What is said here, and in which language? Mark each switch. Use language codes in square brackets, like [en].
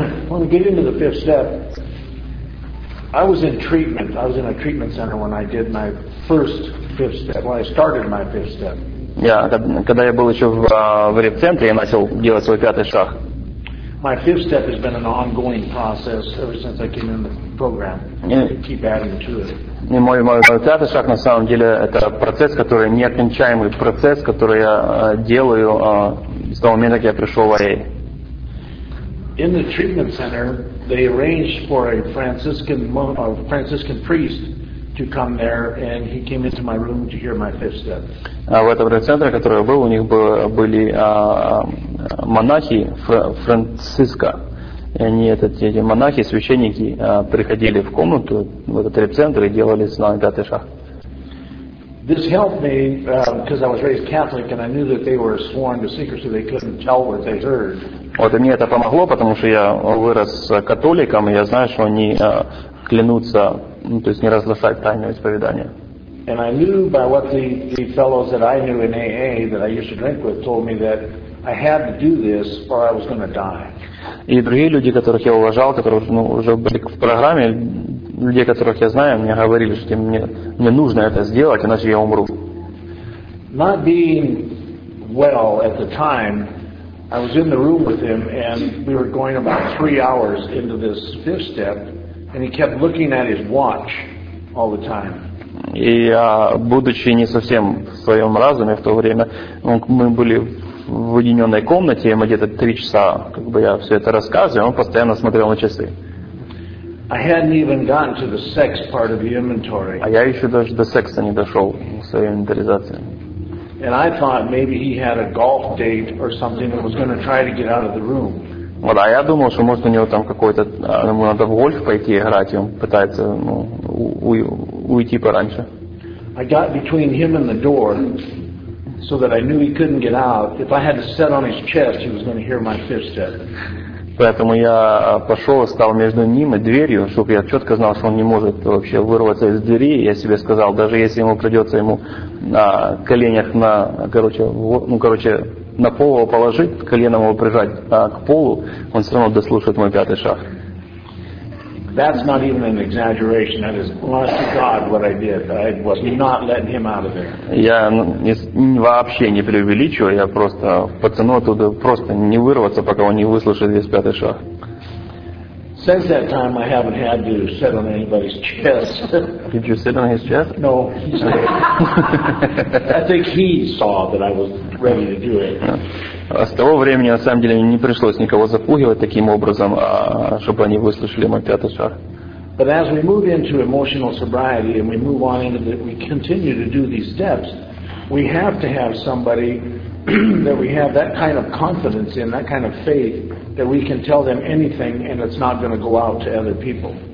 [en] When we get into the fifth step, I was in treatment. I was in a treatment center when I did my first fifth step. When I started my fifth step. [ru] Когда я был еще в реабилитационном центре, я начал делать свой пятый шаг. [en] My fifth step has been an ongoing process ever since I came in the program. Keep adding to it. [ru] И мой пятый шаг, на самом деле, это процесс, который неокончаемый процесс, который я делаю с того момента, как я пришел в АА. [en] In the treatment center, they arranged for a Franciscan priest to come there, and he came into my room to hear my fifth step. [ru] А в этом центре, который был, у них были монахи Франциска. И они, эти монахи, священники, приходили в комнату, в этот реп-центр, и делали с нами пятый шаг. [en] This helped me, because I was raised Catholic, and I knew that they were sworn to secrecy, they couldn't tell what they heard. [ru] Вот, и мне это помогло, потому что я вырос католиком, и я знаю, что они клянутся, ну, то есть не разглашать тайное исповедание. [en] And I knew by what the fellows that I knew in AA, that I used to drink with, told me that I had to do this or I was going to die. [ru] И другие люди, которых я уважал, которые уже были в программе, людей, которых я знаю, мне говорили, что мне нужно это сделать, иначе я умру. [en] Not being well at the time, I was in the room with him, and we were going about 3 hours into this fifth step, and he kept looking at his watch all the time. [ru] И я, будучи не совсем в своем разуме в то время, мы были в уединенной комнате, мы где-то 3 часа, как бы я все это рассказывал, он постоянно смотрел на часы. [en] I hadn't even gotten to the sex part of the inventory. [ru] А я еще даже до секса не дошел в своей инвентаризации. [en] And I thought maybe he had a golf date or something that was going to try to get out of the room. [ru] Вот, а я думал, что может у него там какой-то, ему надо в гольф пойти играть, и он пытается уйти пораньше. [en] I got between him and the door, so that I knew he couldn't get out. If I had to sit on his chest, he was going to hear my fifth step. [ru] Поэтому я пошел, стал между ним и дверью, чтобы я четко знал, что он не может вообще вырваться из двери. Я себе сказал, даже если ему придется ему на коленях на пол его положить, коленом его прижать к полу, он все равно дослушает мой пятый шаг. [en] That's not even an exaggeration. That is honest to God what I did. I was not letting him out of there. [ru] Я вообще не преувеличиваю. Я просто пацану оттуда просто не вырваться, пока он не выслушает весь пятый шаг. [en] Since that time, I haven't had to sit on anybody's chest. Did you sit on his chest? No, he's dead. I think he saw that I was ready to do it. [ru] А с того времени, на самом деле, не пришлось никого запугивать таким образом, чтобы они выслушали мой пятый шаг. [en] But as we move into emotional sobriety and we move on into that, we continue to do these steps, we have to have somebody that we have that kind of confidence in, that kind of faith, that we can tell them anything and it's not going to go out to other people.